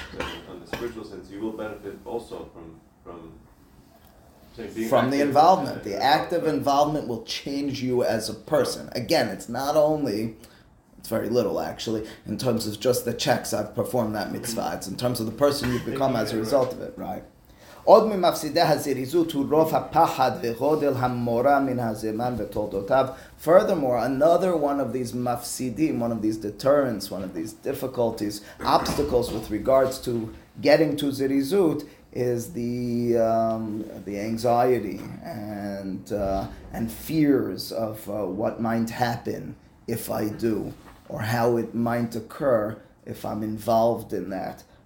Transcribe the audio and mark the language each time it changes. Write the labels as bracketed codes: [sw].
[en] So on the spiritual sense, you will benefit also from the involvement. The active involvement will change you as a person. Again, it's not only, it's very little actually, in terms of just the checks I've performed that mitzvah. It's in terms of the person you've become as a result of it, right? [he] עוד ממפסידי הזריזות הוא רוב הפחד וגודל המורה מן הזמן ותולדותיו. [en] Furthermore, another one of these מפסידים, one of these deterrents, one of these difficulties, obstacles with regards to getting to זריזות, is the anxiety and fears of what might happen if I do, or how it might occur if I'm involved in that.